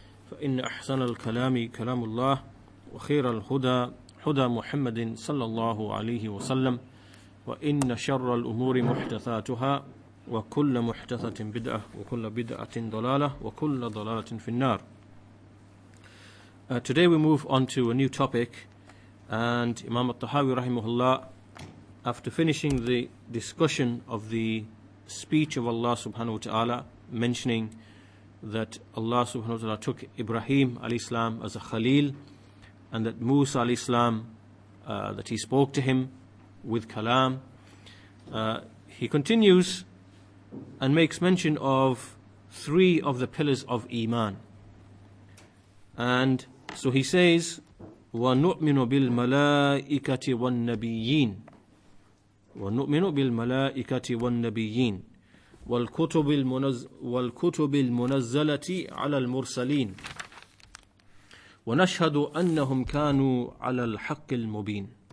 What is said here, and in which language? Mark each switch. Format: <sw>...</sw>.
<ar>فإن أحسن الكلام كلام الله وخير الهدى هدى محمد صلى الله عليه وسلم وإن شر الأمور محدثاتها وكل محدثة بدعة وكل بدعة ضلالة وكل ضلالة في النار.</ar> <en>Today we move on to a new topic, and Imam al-Tahawi rahimahullah, after finishing the discussion of the speech of Allah subhanahu wa ta'ala, mentioning that Allah subhanahu wa ta'ala took Ibrahim alayhi salam as a khalil, and that Musa alayhi salam, that he spoke to him with kalam, he continues and makes mention of three of the pillars of iman. And so he says,</en> <ar>وَنُؤْمِنُ بِالْمَلَائِكَةِ وَالنَّبِيِّينَ وَنُؤْمِنُ بِالْمَلَائِكَةِ وَالنَّبِيِّينَ وَالْكُتُبِ الْمُنَزَّلَةِ عَلَى الْمُرْسَلِينَ وَنَشْهَدُ أَنَّهُمْ كَانُوا عَلَى الْحَقِّ الْمُبِينَ.</ar>